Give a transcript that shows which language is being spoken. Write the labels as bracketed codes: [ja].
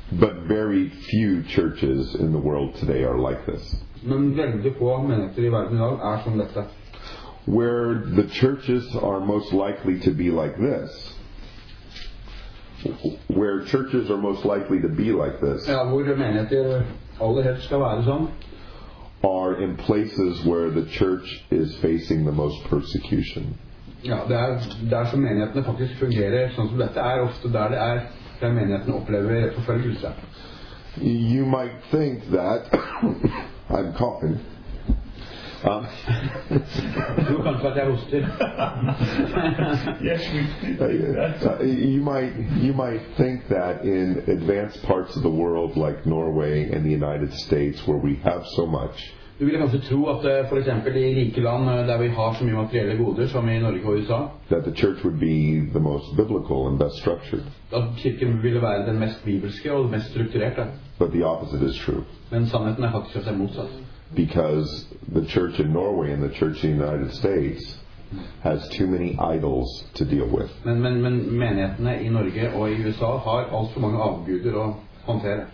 [en] But very few churches in the world today are like this. [no] Men veldig få menigheter i verden i dag er som dette. [en] Where the churches are most likely to be like this. Where churches are most likely to be like this. [no] Ja, hvor menigheter aller helst skal være sånn. [en] Are in places where the church is facing the most persecution. [no] Ja, der som menighetene faktisk fungerer sånn som dette er ofte der det er der menighetene opplever forfølgelse. [en] You might think that I'm coughing. [no] Du kan tro at jeg hoster. [en] Yes, we. You might think that in advanced parts of the world like Norway and the United States where we have so much. [no] Du vil kanskje tro at for eksempel i rike land der vi har så mye materielle goder som i Norge og USA. [en] That the church would be the most biblical and best structured. [no] At kirken ville være den mest bibelske og mest strukturerte. [en] But the opposite is true. [no] Men sannheten faktisk at det motsatt. [en] Because the church in Norway and the church in the United States has too many idols to deal with. [no] Men menighetene i Norge og i USA har altfor mange avguder å håndtere.